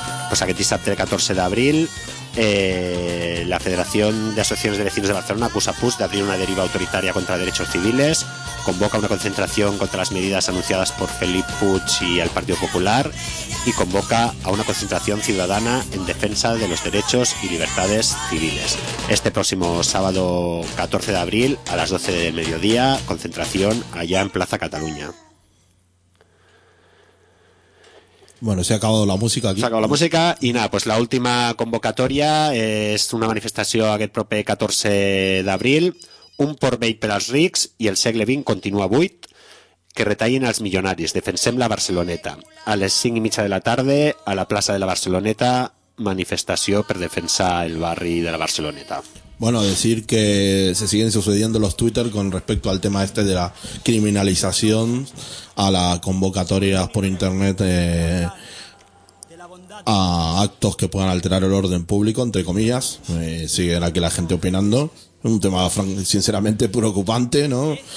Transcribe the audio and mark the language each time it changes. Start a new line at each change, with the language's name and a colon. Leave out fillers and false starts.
Catalan: Pues aquest dissabte 14 d'abril, la Federació d'Associacions de Veïns de Barcelona acusa Puig d'abrir una deriva autoritària contra drets civils, convoca una concentració contra les mesures anunciades per Felip Puig i el Partit Popular i convoca a una concentració ciutadana
Spanish: en defensa de los derechos y libertades civiles. Este próximo sábado 14 de abril a las 12 del mediodía,
Catalan: concentració allà en Plaça Catalunya.
Spanish: Bueno, se ha acabado la música aquí. Se ha acabado la música y nada, pues la última
Catalan: convocatòria és una manifestació aquest proper 14 d'abril, Un porvell per als rics i el segle XX continua buit, que retallin els milionaris, defensem la Barceloneta. A les 5 i mitja de la tarda, a la plaça de la Barceloneta, manifestació per defensar el barri de la Barceloneta.
Spanish: Bueno, decir que se siguen sucediendo los Twitter con respecto al tema este de la criminalización a las convocatorias por internet a actos que puedan alterar el orden público, entre comillas. Siguen aquí la gente opinando. Un tema sinceramente preocupante, ¿no?